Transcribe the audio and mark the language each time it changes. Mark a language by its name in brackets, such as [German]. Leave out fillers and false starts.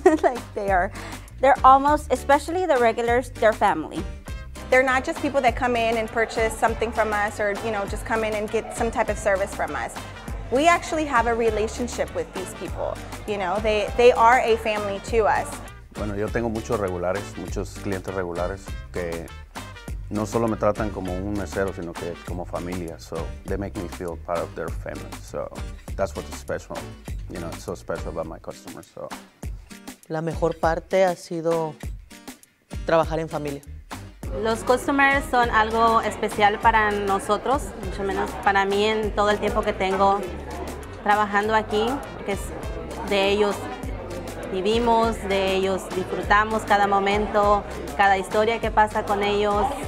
[English] Like, they're almost, especially the regulars, they're family. They're not just people that come in and purchase something from us or, you know, just come in and get some type of service from us. We actually have a relationship with these people. You know, they are a family to us. [Spanish] Bueno, yo tengo muchos regulares, muchos clientes regulares que no solo me tratan como un mesero, sino que como familia. [English] So they make me feel part of their family. So that's what's special, you know, it's so special about my customers. So [Spanish] la mejor parte ha sido trabajar en familia. Los customers son algo especial para nosotros, mucho menos para mí en todo el tiempo que tengo trabajando aquí, porque es de ellos. Vivimos, de ellos disfrutamos cada momento, cada historia que pasa con ellos.